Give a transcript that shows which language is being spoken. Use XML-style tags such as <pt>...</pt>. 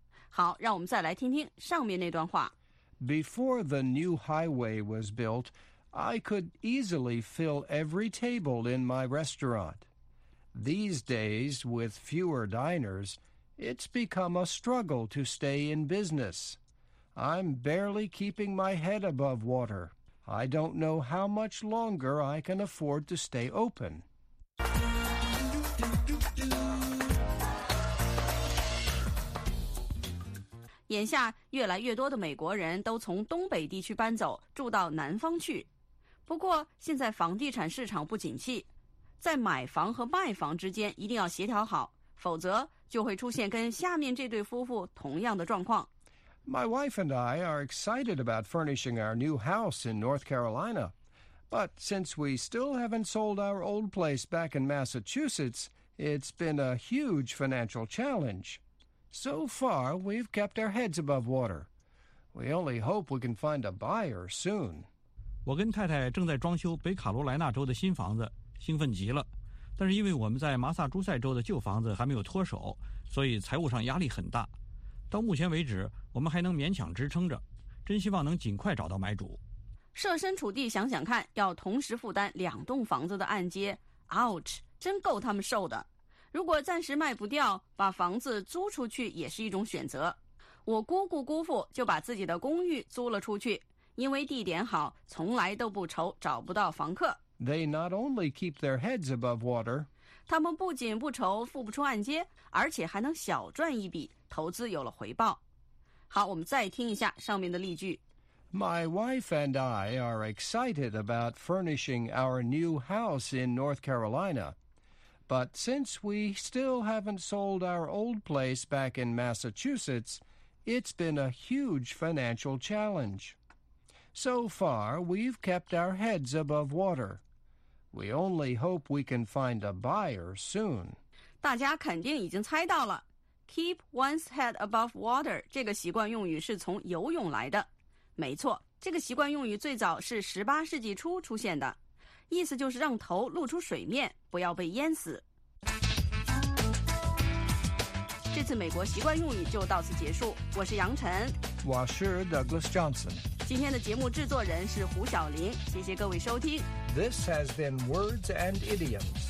<zh>好，让我们再来听听上面那段话。</zh> <en>Before the new highway was built, I could easily fill every table in my restaurant. These days, with fewer diners, it's become a struggle to stay in business. I'm barely keeping my head above water. I don't know how much longer I can afford to stay open.</en> <zh>眼下越来越多的美国人都从东北地区搬走，住到南方去。不过现在房地产市场不景气，在买房和卖房之间一定要协调好，否则就会出现跟下面这对夫妇同样的状况。</zh> <en>My wife and I are excited about furnishing our new house in North Carolina. But since we still haven't sold our old place back in Massachusetts, it's been a huge financial challenge. So far, we've kept our heads above water. We only hope we can find a buyer soon.</en> <zh>我跟太太正在装修北卡罗来纳州的新房子，兴奋极了。但是因为我们在马萨诸塞州的旧房子还没有脱手，所以财务上压力很大。到目前为止，我们还能勉强支撑着，真希望能尽快找到买主。设身处地想想看，要同时负担两栋房子的按揭 ，ouch， 真够他们受的。如果暂时卖不掉，把房子租出去也是一种选择。我姑姑姑父就把自己的公寓租了出去，因为地点好，从来都不愁找不到房客。</zh> <en>They not only keep their heads above water.</en> <zh>他们不仅不愁付不出按揭，而且还能小赚一笔，投资有了回报。好，我们再听一下上面的例句。</zh> <en>My wife and I are excited about furnishing our new house in North Carolina. But since we still haven't sold our old place back in Massachusetts, it's been a huge financial challenge. So far, we've kept our heads above water. We only hope we can find a buyer soon.</en> <zh>大家肯定已经猜到了。</zh> <en>Keep one's head above water</en> <zh>这个习惯用语是从游泳来的。没错，这个习惯用语最早是18世纪初出现的，意思就是让头露出水面，不要被淹死。这次美国习惯用语就到此结束，我是杨晨，我是 Douglas Johnson。今天的节目制作人是胡晓林，谢谢各位收听。</zh> <en>This has been Words and Idioms.</en>